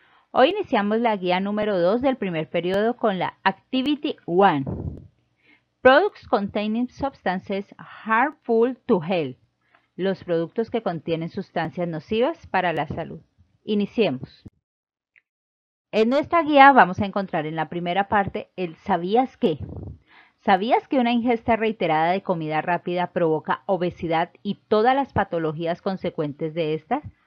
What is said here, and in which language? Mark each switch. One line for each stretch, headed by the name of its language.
Spanish: Hoy iniciamos la guía número 2 del primer periodo con la Activity 1.
English: Products containing substances harmful to health.
Spanish: Los productos que contienen sustancias nocivas para la salud. Iniciemos. En nuestra guía vamos a encontrar en la primera parte el ¿sabías qué? ¿Sabías que una ingesta reiterada de comida rápida provoca obesidad y todas las patologías consecuentes de estas?